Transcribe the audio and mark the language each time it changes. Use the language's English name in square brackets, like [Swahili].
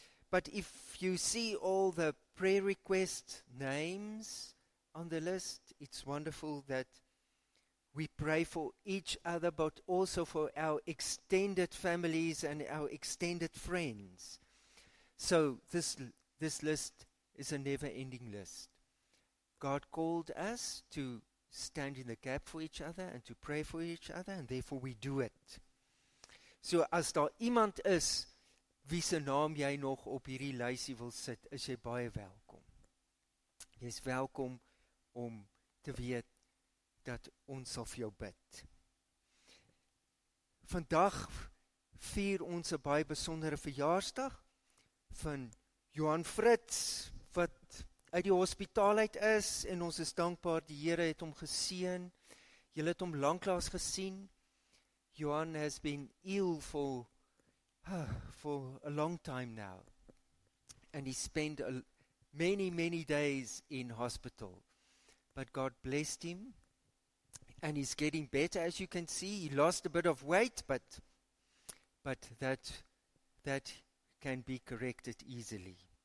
[English] But if you see all the prayer request names on the list, it's wonderful that we pray for each other, but also for our extended families and our extended friends. So this list is a never-ending list. God called us to stand in the gap for each other and to pray for each other, and therefore we do it. [Afrikaans] So as daar iemand is wie se naam jy nog op hierdie lysie wil sit, is jy baie welkom. Jy is welkom om te weet dat ons sal vir jou bid. Vandag vier ons 'n baie besondere verjaarsdag van Johan Fritz, wat uit die hospitaal uit is, en ons is dankbaar, die Here het hom geseën. Jy het hom lanklaas gesien. [English] Johan has been ill for a long time now, and he spent many days in hospital, but God blessed him, and he's getting better. As you can see, he lost a bit of weight, but that can be corrected easily.